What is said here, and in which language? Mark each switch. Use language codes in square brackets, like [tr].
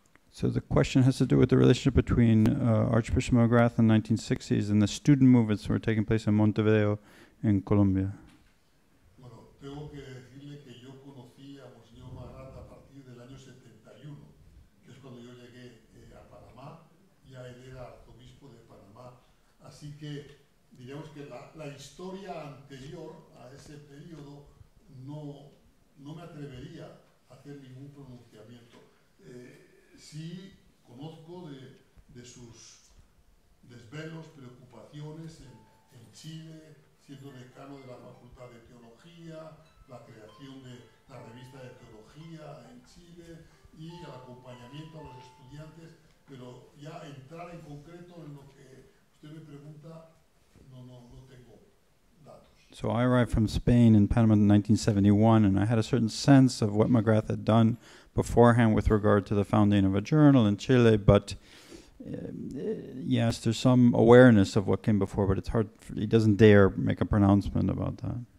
[en] So the question has to do with the relationship between Archbishop McGrath in the 1960s and the student movements that were taking place in Montevideo in Colombia. [es] Bueno, tengo que decirle que yo conocí a Monsignor McGrath a partir del año 71, que es cuando yo llegué a Panamá, ya él era arzobispo de Panamá. Así que diríamos que la historia anterior a ese periodo no me atrevería a hacer ningún pronunciamiento. Sí, conozco de sus desvelos, preocupaciones en Chile, siendo decano de la Facultad de Teología, la creación de la revista de teología en Chile y el acompañamiento a los estudiantes, pero ya entrar en concreto en lo que usted me pregunta, no tengo datos. [en] So I arrived from Spain in Panama in 1971, and I had a certain sense of what McGrath had done beforehand with regard to the founding of a journal in Chile, but yes, there's some awareness of what came before, but it's hard, he doesn't dare make a pronouncement about that.